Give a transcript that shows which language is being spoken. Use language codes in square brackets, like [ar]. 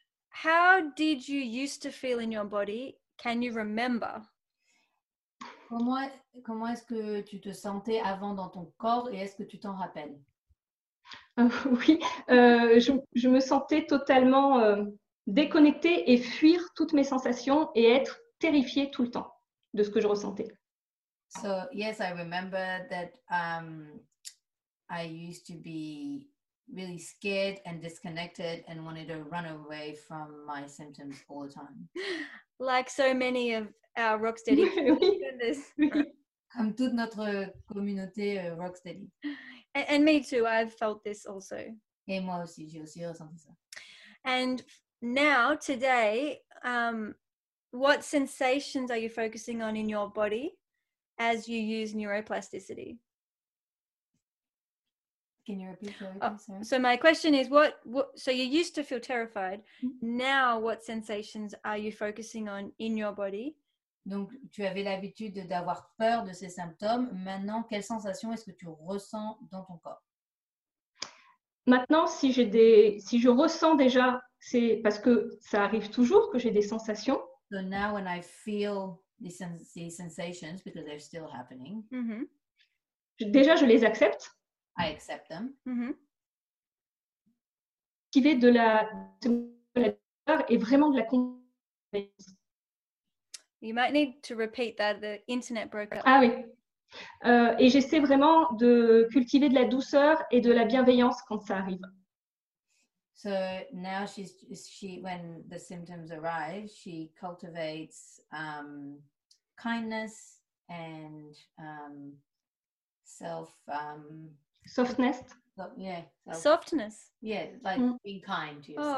[en] How did you used to feel in your body? Can you remember? [fr] Comment est-ce que tu te sentais avant dans ton corps et est-ce que tu t'en rappelles? Oui, je me sentais totalement déconnectée et fuir toutes mes sensations et être terrifiée tout le temps de ce que je ressentais. [en] So, yes, I remember that I used to be really scared and disconnected and wanted to run away from my symptoms all the time. Like so many of our Rocksteady members. [fr] Comme toute notre communauté Rocksteady. [en] And me too, I've felt this also. [fr] Et moi aussi, j'ai aussi ressenti ça. [en] And now, today, what sensations are you focusing on in your body as you use neuroplasticity? Can you repeat that? So my question is, so you used to feel terrified. Mm-hmm. Now, what sensations are you focusing on in your body? [fr] Donc, tu avais l'habitude d'avoir peur de ces symptômes. Maintenant, quelles sensations est-ce que tu ressens dans ton corps? Maintenant, si je ressens déjà, c'est parce que ça arrive toujours que j'ai des sensations. [en] So now when I feel these sensations, because they're still happening. Mm-hmm. [fr] Déjà, je les accepte. [en] I accept them. Mm-hmm. [fr] Qui est de la peur et vraiment de la confiance. [en] You might need to repeat that, the internet broke up. [fr] Ah oui. Et j'essaie vraiment de cultiver de la douceur et de la bienveillance quand ça arrive. [en] So now she when the symptoms arrive, she cultivates kindness and softness. Softness. Yeah, like being kind to yourself.